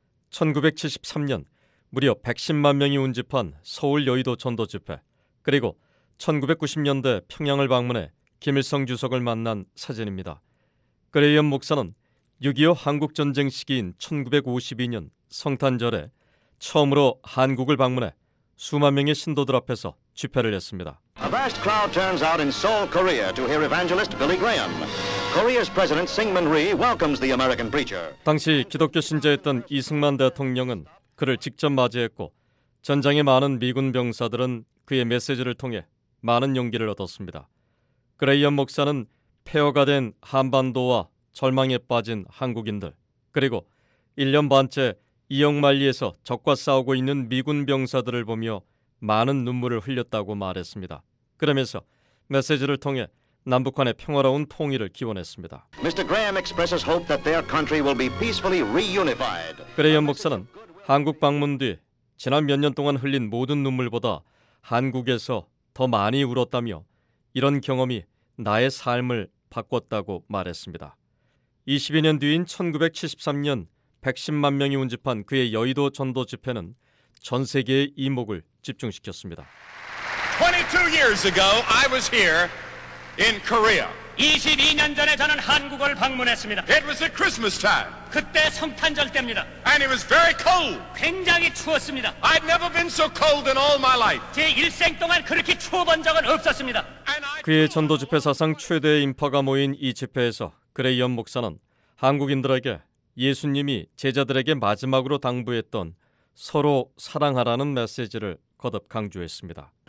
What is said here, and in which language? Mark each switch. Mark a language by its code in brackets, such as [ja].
[ko] 1973년 무려 110만 명이 운집한 서울 여의도 전도 집회, 그리고 1990년대 평양을 방문해 김일성 주석을 만난 사진입니다. 그레이엄 목사는 6.25 한국전쟁 시기인 1952년 성탄절에 처음으로 한국을 방문해 수만 명의 신도들 앞에서 집회를 했습니다. [en] A vast crowd turns out in Seoul, Korea to hear evangelist Billy Graham. Korea's President Syngman Rhee welcomes the American preacher. [ko] 당시 기독교 신자였던 이승만 대통령은 그를 직접 맞이했고 전장에 많은 미군 병사들은 그의 메시지를 통해 많은 용기를 얻었습니다. 그레이엄 목사는 폐허가 된 한반도와 절망에 빠진 한국인들, 그리고 1년 반째 이역만리에서 적과 싸우고 있는 미군 병사들을 보며 많은 눈물을 흘렸다고 말했습니다. 그러면서 메시지를 통해 남북한의 평화로운 통일을 기원했습니다. [en] Mr. Graham expresses hope that their country will be peacefully reunified. [ko] 그레이엄 목사는 한국 방문 뒤 지난 몇 년 동안 흘린 모든 눈물보다 한국에서 더 많이 울었다며 이런 경험이 나의 삶을 바꿨다고 말했습니다. 22년 뒤인 1973년 110만 명이 운집한 그의 여의도 전도 집회는 전 세계의 이목을 집중시켰습니다. 22년 전에 저는 한국을 방문했습니다. [en] It was the Christmas time. [ko] 그때 성탄절 때입니다. [en] And it was very cold. [ko] 굉장히 추웠습니다. [en] I've never been so cold in all my life. [ko] 제 일생 동안 그렇게 추워본 적은 없었습니다. 그의 전도 집회 사상 최대의 인파가 모인 이 집회에서 그레이엄 목사는 한국인들에게 예수님이 제자들에게 마지막으로 당부했던 서로 사랑하라는 메시지를 거듭 강조했습니다.